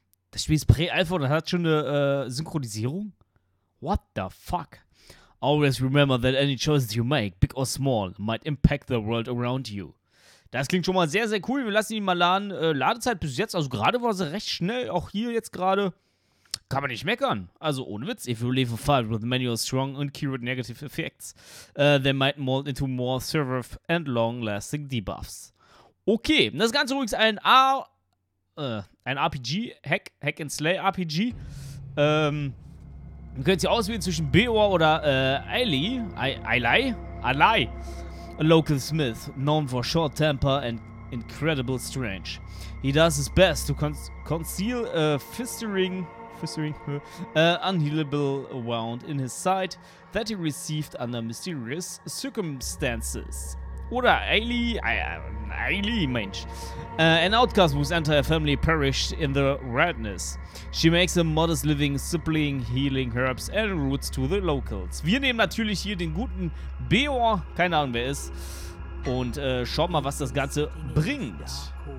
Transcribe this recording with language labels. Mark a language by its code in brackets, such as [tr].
[de] Das Spiel ist Prä-Alpha und hat schon eine Synchronisierung? [en] What the fuck? Always remember that any choices you make, big or small, might impact the world around you. [de] Das klingt schon mal sehr, sehr cool. Wir lassen ihn mal laden. Ladezeit bis jetzt, also gerade war sie recht schnell. Auch hier jetzt gerade kann man nicht meckern. Also ohne Witz. [en] If you leave a fight with many or strong and keyword negative effects, they might mold into more server and long-lasting debuffs. [de] Okay, das Ganze übrigens ein RPG, Hack-and-Slay-RPG. Ihr könnt sie auswählen zwischen Beor oder Ali, [en] a local smith, known for short temper and incredible strength. He does his best to conceal a unhealable wound in his side that he received under mysterious circumstances. [de] Oder Ali, Ali, Mensch. [en] An outcast whose entire family perished in the wilderness. She makes a modest living, supplying healing herbs and roots to the locals. [de] Wir nehmen natürlich hier den guten Beor, keine Ahnung wer ist, und schaut mal, was das Ganze bringt.